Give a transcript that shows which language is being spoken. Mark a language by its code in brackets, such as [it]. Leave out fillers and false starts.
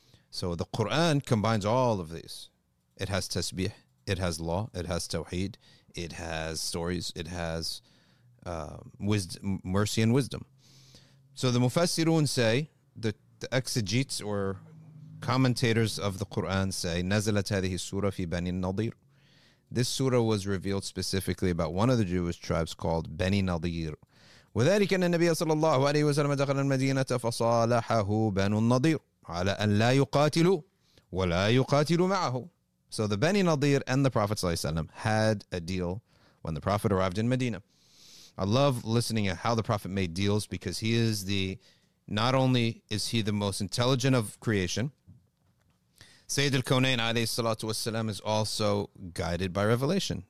[en] So the Quran combines all of these. It has tasbih, it has law, it has tawheed, it has stories, it has mercy and wisdom. So the Mufassirun say, the exegetes or commentators of the Quran say, [ar] نَزَلَتْ هَذِهِ السُّورَ فِي بَنِي النَّضِيرُ. [en] This surah was revealed specifically about one of the Jewish tribes called Bani Nadir. [ar] وذلك أن النبي صلى الله عليه وسلم دخل المدينة فصالحه بنو النضير على أن لا يقاتلوا ولا يقاتلوا معه. [en] So the Bani Nadir and the Prophet ﷺ had a deal when the Prophet arrived in Medina. I love listening at how the Prophet made deals because he is the, not only is he the most intelligent of creation, Sayyid al-Kawnayn alayhi salatu wasalam is also guided by revelation.